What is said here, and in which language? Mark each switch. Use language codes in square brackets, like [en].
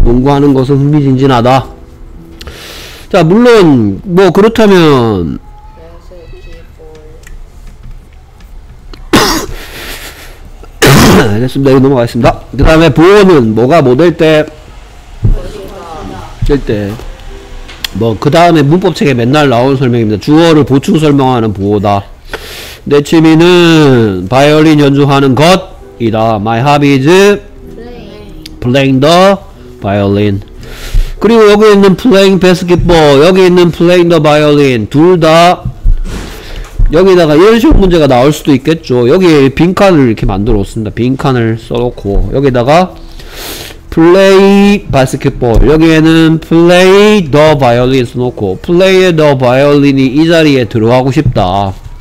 [ko] 농구하는 것은 흥미진진하다. 자 물론 뭐 그렇다면 됐습니다. 여기 넘어가겠습니다. 그 다음에 보호는 뭐가 뭐 될 때 될 때 뭐 그 다음에 문법책에 맨날 나온 설명입니다. 주어를 보충 설명하는 보호다. 내 취미는 바이올린 연주하는 것이다. [en] My hobby is playing the violin. [ko] 그리고 여기 있는 [en] playing basketball, [ko] 여기 있는 [en] playing the violin [ko] 둘 다 여기다가 이런 식으로 문제가 나올 수도 있겠죠. 여기 빈칸을 이렇게 만들어 놓습니다. 빈칸을 써놓고 여기다가 [en] play basketball, [ko] 여기에는 [en] play the violin [ko] 써놓고 play the violin이 이 자리에 들어가고 싶다.